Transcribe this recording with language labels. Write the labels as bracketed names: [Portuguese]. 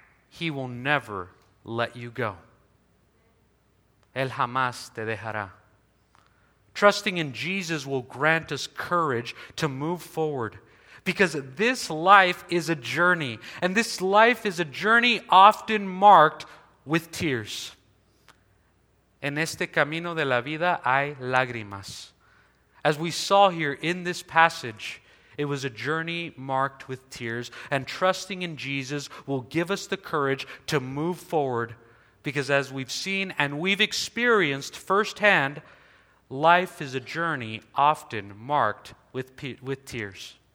[English] He will never let you go. [Spanish] El jamás te dejará. [English] Trusting in Jesus will grant us courage to move forward, because this life is a journey, and this life is a journey often marked with tears. [Spanish] En este camino de la vida hay lágrimas. [English] As we saw here in this passage, it was a journey marked with tears, and trusting in Jesus will give us the courage to move forward, because as we've seen and we've experienced firsthand, life is a journey often marked with tears.